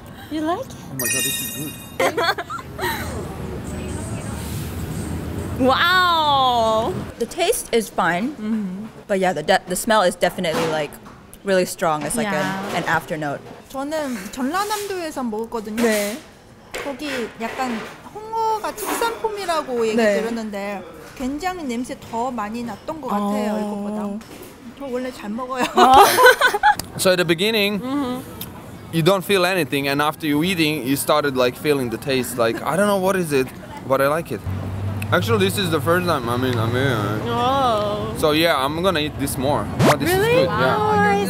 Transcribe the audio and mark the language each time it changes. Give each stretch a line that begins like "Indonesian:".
English: You like it? Oh my god, this is good. Wow! The taste is fine, mm-hmm. but yeah, the smell is definitely like really strong. It's like an afternote.
Korean: 저는 전라남도에서 먹었거든요. 네. 거기 약간 홍어가 특산품이라고 얘기 네. 들었는데 굉장히 냄새 더 많이 났던 것 같아요, 이것보다. 저 원래 잘 먹어요.
English: So at the beginning, you don't feel anything, and after you eating, you started like feeling the taste. Like I don't know what is it, but I like it. Actually, this is the first time I'm here. Right? So yeah, I'm gonna eat this more. Oh, this really? Wow.